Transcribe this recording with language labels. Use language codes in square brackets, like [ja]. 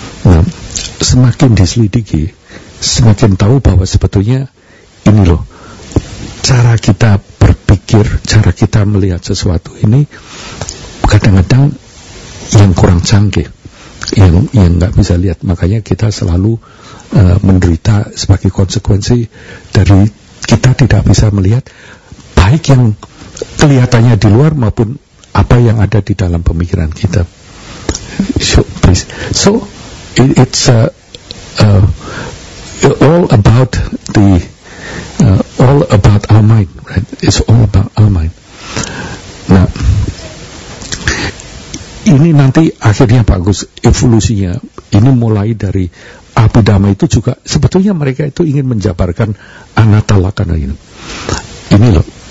[id] Nah, semakin diselidiki, semakin tahu bahwa sebetulnya ini loh cara kita berpikir, cara kita melihat sesuatu ini kadang-kadang yang kurang canggih, yang nggak bisa lihat. Makanya kita selalu menderita sebagai konsekuensi dari kita tidak bisa melihat baik yang kelihatannya di luar maupun apa yang ada di dalam pemikiran kita. [en] So, please. So it's all about the all about our mind, right? It's all about our mind. [id] Nah, ini nanti akhirnya bagus evolusinya. Ini mulai dari Abhidhamma itu juga sebetulnya mereka itu ingin menjabarkan anatta lakkhana ini. Ini loh.